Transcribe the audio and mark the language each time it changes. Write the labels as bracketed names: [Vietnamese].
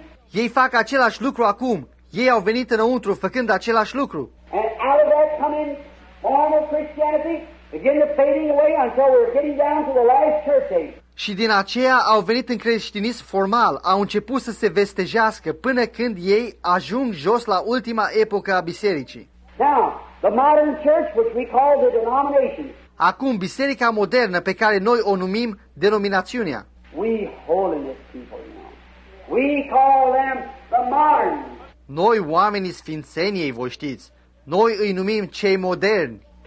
[Romanian] Ei fac același lucru acum. Ei au venit înăuntru făcând același lucru. [English] And out of that coming formal Christianity begin to fading away until we're getting down to the last church age. [Romanian] Și din aceea au venit în creștinism formal, au început să se vestejească până când ei ajung jos la ultima epocă a bisericii. [English] Now, the modern church, which we call the denomination. [Romanian] Acum biserica modernă pe care noi o numim denominațiunea. [English] We holiness people now. We call them the modern. [Romanian] Noi oamenii sfințeniei, voi știți. Noi îi numim cei moderni.